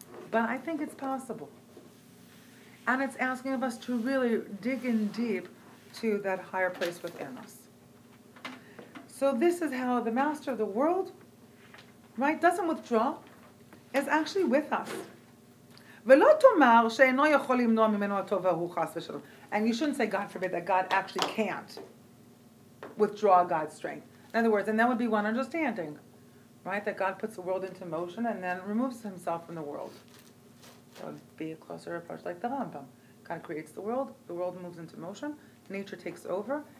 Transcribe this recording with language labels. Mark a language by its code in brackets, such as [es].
[en] But I think it's possible. And it's asking of us to really dig in deep to that higher place within us. So this is how the master of the world, right, doesn't withdraw, is actually with us. [he] ולא תאמר שאינו יכול למנוע ממנו הטוב והוא חס ושלום. [en] And you shouldn't say, God forbid, that God actually can't withdraw God's strength. In other words, and that would be one understanding, right? That God puts the world into motion and then removes himself from the world. That would be a closer approach like the Rambam. God creates the world. The world moves into motion. Nature takes over.